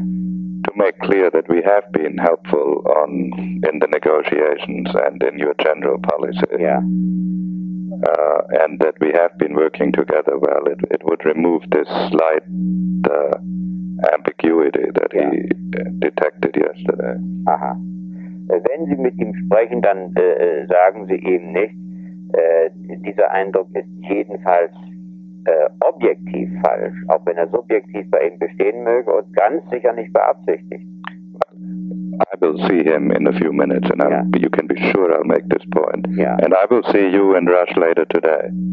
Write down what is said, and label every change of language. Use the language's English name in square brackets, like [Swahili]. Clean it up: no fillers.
[English] To make clear that we have been helpful in the negotiations and in your general policy. Yeah. And that we have been working together well, it would remove this slight ambiguity that yeah. he detected yesterday. Aha. [German] Wenn Sie mit ihm sprechen, dann sagen Sie ihm nicht, dieser Eindruck ist jedenfalls objektiv falsch, auch wenn er subjektiv bei ihm bestehen möge und ganz sicher nicht beabsichtigt. [English] I will see him in a few minutes and yeah. you can be sure I'll make this point. Yeah. And I will see you and Rush later today.